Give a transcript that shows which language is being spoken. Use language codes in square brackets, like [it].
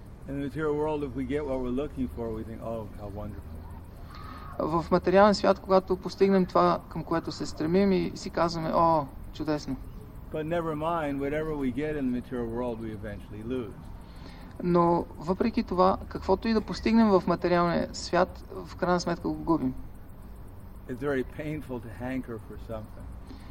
[en] In the material world, if we get what we're looking for, we think, oh, how wonderful. [bg] В материален свят, когато постигнем това, към което се стремим, и си казваме, о, чудесно. [en] But never mind, whatever we get in the material world, we eventually lose. [bg] Но въпреки това, каквото и да постигнем в материалния свят, в крайна сметка го губим. [en] It's very painful to hanker for something.